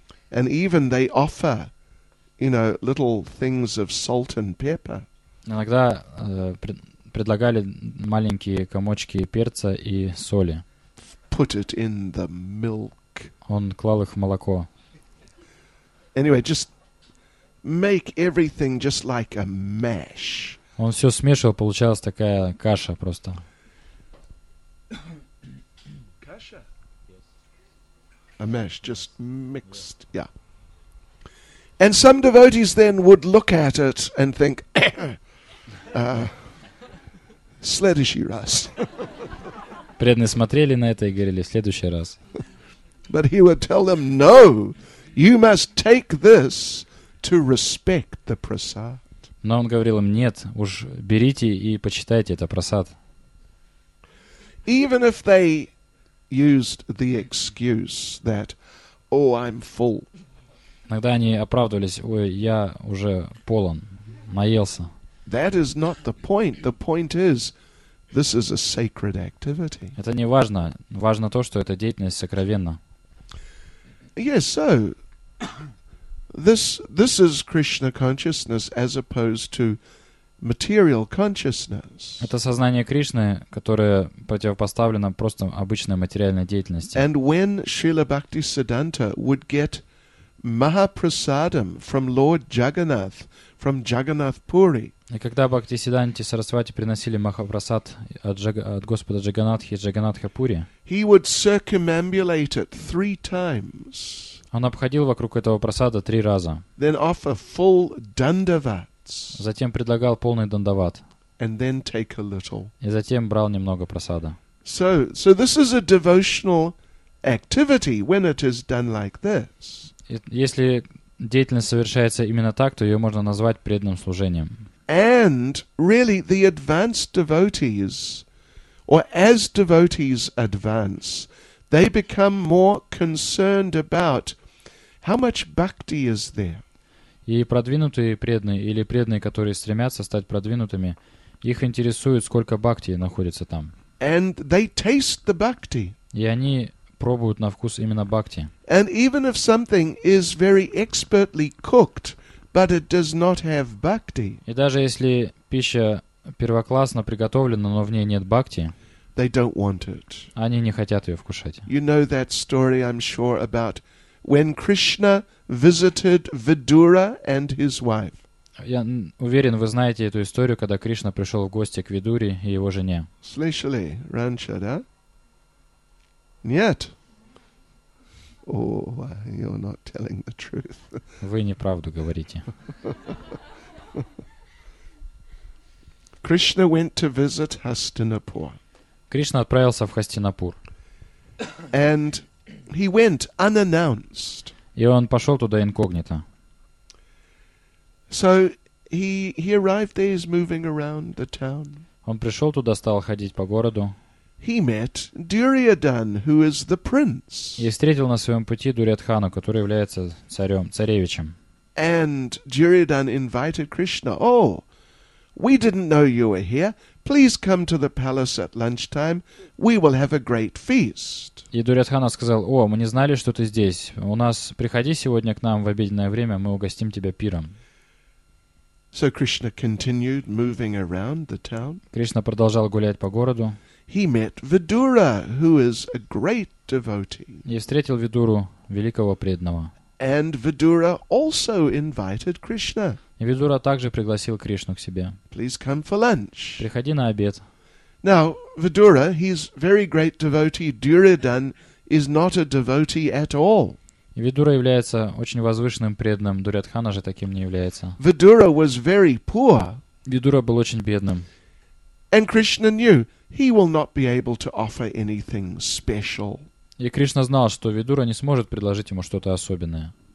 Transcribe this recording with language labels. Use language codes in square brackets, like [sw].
[en] And even they offer, you know, little things of salt and pepper. [ru] Иногда предлагали маленькие комочки перца и соли. [en] Put it in the milk. [ru] Он клал их в молоко. [en] Anyway, just make everything just like a mash. [ru] Он все смешивал, получалась такая каша просто. [en] Каша? A mash, just mixed, yeah. And some devotees then would look at it and think, [ru] следующий раз. Преданные смотрели на это и говорили, в следующий раз. [en] But he would tell them, no, you must take this to respect the prasad. [ru] Но он говорил им, нет, уж берите и почитайте это прасад. [en] Even if they used the excuse that, oh, I'm full. [ru] Иногда они оправдывались, ой, я уже полон, наелся. [en] That is not the point. The point is, this is a sacred activity. [ru] Это не важно. Важно то, что эта деятельность сокровенна. [en] Yes, so, this is Krishna consciousness as opposed to material consciousness. [ru] Это сознание Кришны, которое противопоставлено просто обычной материальной деятельности. [en] And when Srila Bhaktisiddhanta would get Mahaprasadam from Lord Jagannath, from Jagannath Puri. [ru] И когда Бхактисиддханте Сарасвати приносили Махапрасад от Господа Джаганатхи и Джаганатха Пури, [en] he would circumambulate it three times. [ru] Он обходил вокруг этого прасада три раза. [en] Then offer full dandavats. [ru] Затем предлагал полный дандават. [en] And then take a little. [ru] И затем брал немного прасада. [en] So this is a devotional activity when it is done like this. [ru] Если деятельность совершается именно так, то ее можно назвать преданным служением. [en] And really, the advanced devotees, or as devotees advance, they become more concerned about how much bhakti is there. [ru] И продвинутые преданные, или преданные, которые стремятся стать продвинутыми, их интересует, сколько бхакти находится там. [en] And they taste the bhakti. [ru] И они пробуют на вкус именно бхакти. [en] And even if something is very expertly cooked, but it does not have bhakti. [ru] И даже если пища первоклассно приготовлена, но в ней нет бхакти, [en] they don't want it. [ru] Они не хотят ее вкушать. [en] You know that story, I'm sure, about when Krishna visited Vidura and his wife. [ru] Я уверен, вы знаете эту историю, когда Кришна пришел в гости к Видуре и его жене. Слышали раньше, да? Нет. [en] Oh, you're not telling the truth. [ru] Вы неправду говорите. [en] Krishna went to visit Hastinapur. [ru] Кришна отправился в Хастинапур. [en] And he went unannounced. [ru] И он пошел туда инкогнито. [en] So he arrived there, he's moving around the town. [ru] Он пришел туда, стал ходить по городу. [en] He met Duryodhan, who is the prince. [ru] И встретил на своем пути Дурьядхану, который является царем, царевичем. [en] And Duryodhan invited Krishna. Oh, we didn't know you were here. Please come to the palace at lunchtime. We will have a great feast. [ru] И Дурьядхана сказал: О, мы не знали, что ты здесь. У нас приходи сегодня к нам в обеденное время, мы угостим тебя пиром. [en] So Krishna continued moving around the town. [ru] Кришна продолжал гулять по городу. [en] He met Vidura, who is a great devotee. [ru] И встретил Видуру, великого преданного. [en] And Vidura also invited Krishna. [ru] И Видура также пригласил Кришну к себе. [en] Please come for lunch. [ru] Приходи на обед. [en] Now, Vidura, he's very great devotee. Duryodhan is not a devotee at all. [ru] Видура является очень возвышенным преданным, Дурьядхана же таким не является. [en] Видура was very poor. [ru] Видура был очень бедным. [en] And Krishna knew he will not be able to offer anything special. [ru] И Кришна знал, что Видура не сможет предложить ему что-то особенное.